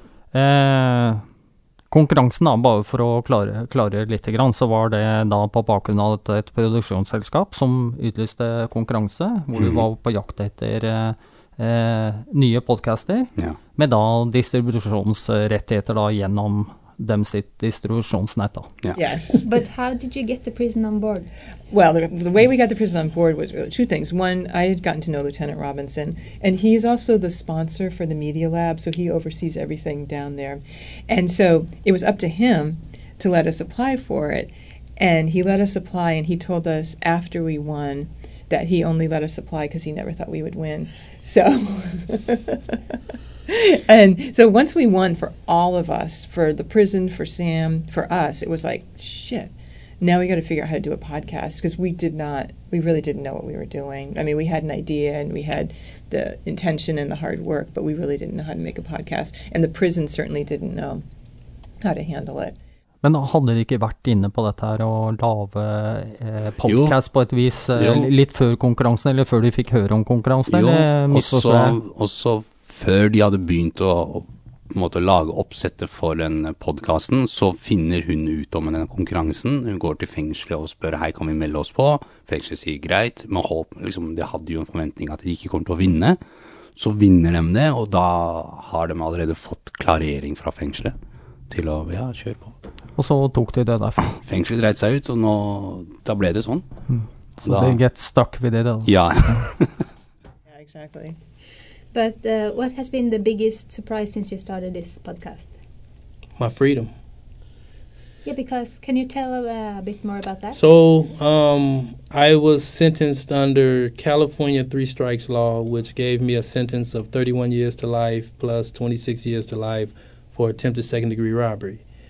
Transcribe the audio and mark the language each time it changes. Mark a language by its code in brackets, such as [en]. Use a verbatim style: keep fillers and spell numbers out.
[no] Eh, konkurransen da, bare for å klare, klare litt, så var det da på bakgrunn av et, et produksjonsselskap som utlyste konkurranse, hvor du var på jakt etter eh, eh, nye podcaster, ja. med da distribusjonsrettigheter da gjennom them sit distributionsnett. [en] Yeah. Yes. But how did you get the prison on board? Well, the, the way we got the prison on board was really two things. One, I had gotten to know Lieutenant Robinson, and he is also the sponsor for the Media Lab, so he oversees everything down there. And so it was up to him to let us apply for it. And he let us apply, and he told us after we won that he only let us apply because he never thought we would win. So... And so once we won, for all of us, for the prison, for Sam, for us, it was like, shit, now we got to figure out how to do a podcast, because we did not, we really didn't know what we were doing. I mean, we had an idea and we had the intention and the hard work, but we really didn't know how to make a podcast. And the prison certainly didn't know how to handle it. [no] Men hadde de ikke vært inne på dette her og lave eh, podcast jo. På et vis eh, litt før konkurransen, eller før de fikk høre om konkurransen? Jo, eller, også, også før de hadde begynt å, å måtte lage oppsettet for den podcasten, så finner hun ut om den konkurransen. Hun går til fengselet og spør, hei, kan vi melde oss på? Fengselet sier greit, men håp, liksom, de hadde jo en forventning at de ikke kommer til å vinne. Så vinner de det, og da har de allerede fått klarering fra fengselet til å, ja, kjøre på. Og så tok de det derfor. Fengselet dreit seg ut, og nå, da ble det sånn. Mm. Så de [en] get stuck with it. [no] Ja. [en] Yeah, exactly. But uh, what has been the biggest surprise since you started this podcast? My freedom. Yeah, because can you tell uh, a bit more about that? So um, I was sentenced under California three strikes law, which gave me a sentence of thirty-one years to life plus twenty-six years to life for attempted second degree robbery.